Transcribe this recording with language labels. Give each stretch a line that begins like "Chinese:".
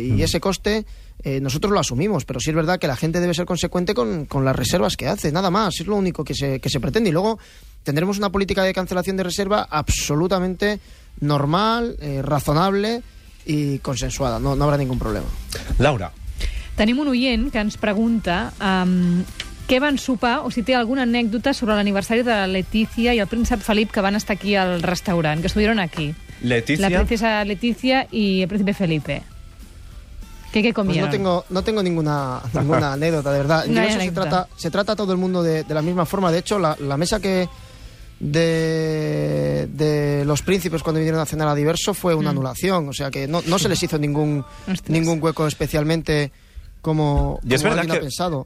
Spanish: Y ese coste nosotros lo asumimos, pero sí es verdad que la gente debe ser consecuente con las reservas que hace, nada más, es lo único que se pretende. Y luego tendremos una política de cancelación de reserva absolutamente normal, razonable y consensuada, no habrá ningún problema. Laura.
Catalan: Tenim un oient que ens pregunta què van sopar o si té alguna anècdota sobre l'aniversari de la Letícia i el príncep Felip que van estar aquí al restaurant,
Spanish: que estuvieron aquí.
Catalan: Letícia.
Spanish: La princesa Letícia i el príncipe Felipe. ¿Qué comieron? Pues no tengo ninguna anécdota, de verdad. No, eso se trata a todo el mundo de la misma forma. De hecho, la mesa que de los príncipes cuando vinieron a cenar a Diverso fue una anulación. O sea que no se les hizo ningún hueco especialmente como alguien ha pensado.